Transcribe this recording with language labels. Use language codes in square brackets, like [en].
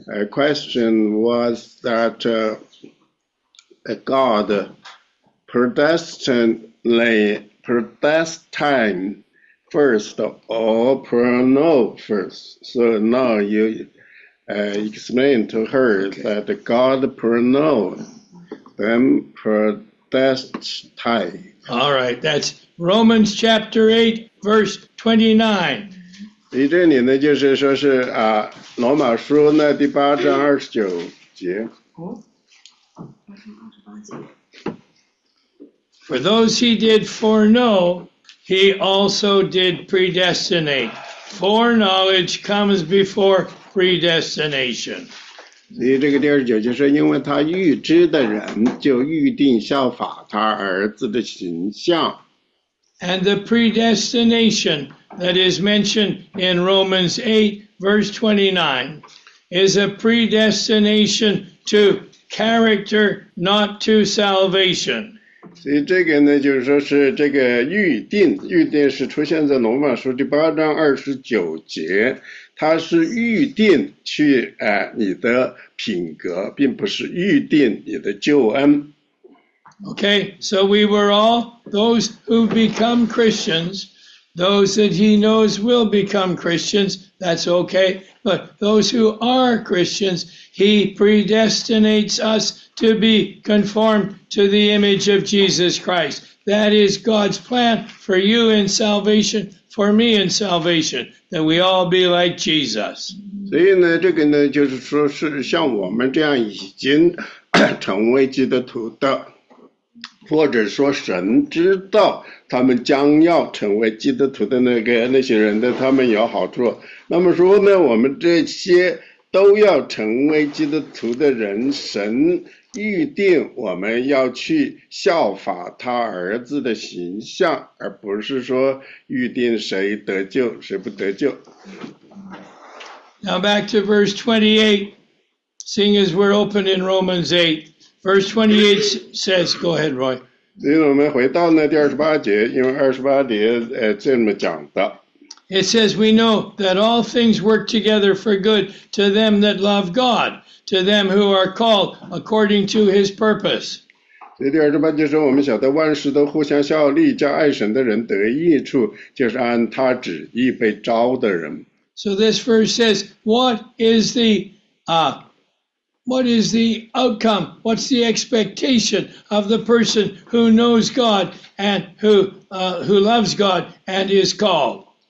[en] question was that God predestined first or pronounced first. So now you explain to her that God pronounced them predestined. All right, that's Romans chapter 8, verse 29. [zh] 这里呢就是说是啊，罗马书那第八章二十九节。 [en] For those he did foreknow, he also did predestinate. Foreknowledge comes before predestination. [zh] 所以这个第二九就是因为他预知的人就预定效法他儿子的形象。 [en] And the predestination that is mentioned in Romans 8, verse 29, is a predestination to character, not to salvation. [zh] 所以这个呢，就是说是这个预定，预定是出现在罗马书第八章二十九节，它是预定去你的品格，并不是预定你的救恩。 [en] Okay, so we were all those who become Christians, those that he knows will become Christians, that's okay, but those who are Christians, he predestinates us to be conformed to the image of Jesus Christ. That is God's plan for you in salvation, for me in salvation, that we all be like Jesus. [zh] 所以呢，这个呢，就是说是像我们这样已经成为基督徒的或者说神知道他们将要成为基督徒的那个那些人的他们有好处。那么说呢我们这些都要成为基督徒的人神预定我们要去效法他儿子的形象而不是说预定谁得救谁不得救。 [en] Now back to verse 28, seeing as we're open in Romans 8. Verse 28 says, go ahead, Roy. [zh] 所以我们回到那第二十八节，因为二十八节这么讲的。 [en] It says, we know that all things work together for good to them that love God, to them who are called according to his purpose. [zh] 所以第二十八节说，我们晓得万事都互相效力，叫爱神的人得益处，就是按他旨意被招的人。 [en] So this verse says, what is the outcome? What's the expectation of the person who knows God and who loves God and is called?